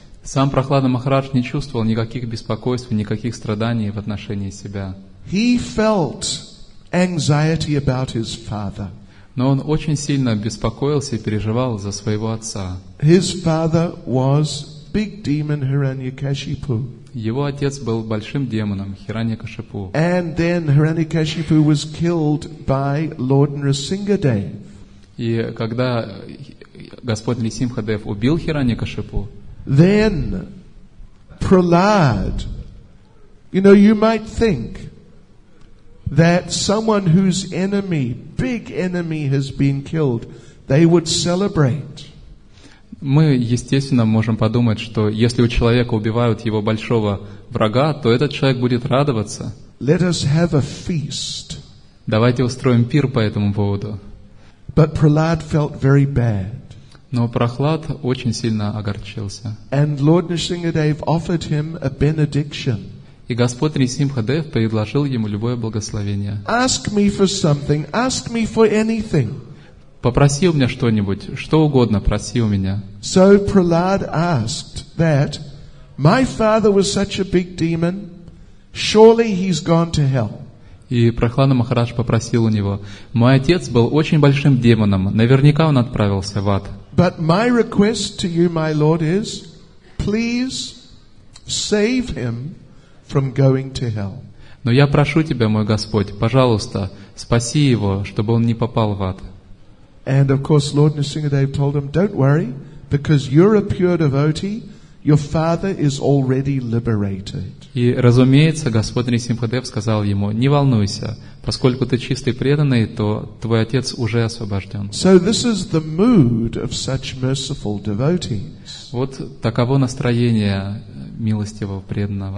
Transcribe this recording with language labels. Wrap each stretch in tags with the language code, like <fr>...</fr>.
<ru>Сам Прохлад Махарадж не чувствовал никаких беспокойств, никаких страданий в отношении себя.</ru> <en>He felt anxiety about his father.</en> <ru>Но он очень сильно беспокоился и переживал за своего отца.</ru> <en>His father was big demon Hiranyakashipu.</en> <ru>Его отец был большим демоном Хираньякашипу.</ru> <en>And then Hiranyakashipu was killed by Lord Nrisimhadev.</en> <ru>И когда Господь Нрисимхадев убил Хираньякашипу,</ru> <en>then Prahlad, you know, you might think that someone whose enemy, big enemy, has been killed, they would celebrate.</en> <ru>Мы, естественно, можем подумать, что если у человека убивают его большого врага, то этот человек будет радоваться.</ru> <en>Let us have a feast.</en> <ru>Давайте устроим пир по этому поводу.</ru> <en>But Prahlad felt very bad.</en> <ru>Но Прохлад очень сильно огорчился.</ru> <en>And Lord Nrisimhadev offered him a benediction.</en> <ru>И Господь Нрисимхадев предложил ему любое благословение.</ru> <en>Ask me for something. Ask me for anything.</en> <ru>Попроси у меня что-нибудь, что угодно, проси у меня.</ru> <en>So Prahlad asked that my father was such a big demon, surely he's gone to hell.</en> <ru>И Прохлада Махарадж попросил у него: мой отец был очень большим демоном, наверняка он отправился в ад.</ru> <en>But my request to you, my lord, is please save him from going to hell.</en> <ru>Но я прошу тебя, мой Господь, пожалуйста, спаси его, чтобы он не попал в ад.</ru> <en>And of course, Lord Nrisimhadev told him, "Don't worry, because you're a pure devotee. Your father is already liberated."</en> <ru>И разумеется, Господь Нрисимхадев сказал ему: "Не волнуйся, поскольку ты чистый преданный, то твой отец уже освобожден."</ru> <en>So this is the mood of such merciful devotees.</en> <ru>Вот таково настроение милостивого преданного.</ru>